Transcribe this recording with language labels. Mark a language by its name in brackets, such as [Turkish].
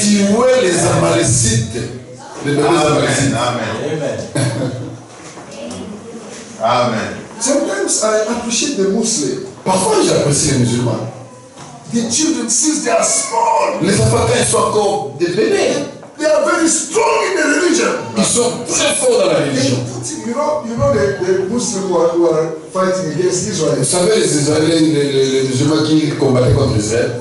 [French] Tu vois les Amalécites. Les bébés Amalécites. Amen. Amen. [English] Sometimes I appreciate the Muslim. [French] Parfois j'apprécie les musulmans. [English] The children, since they are small, [French] les enfants quand ils sont encore des bébés, [English] they are very strong in the religion. [French] Ils sont très forts dans la religion. [English] You know the Muslims who are fighting against Israel. [French] Vous savez les Israéliens, les musulmans qui combattent contre Israël.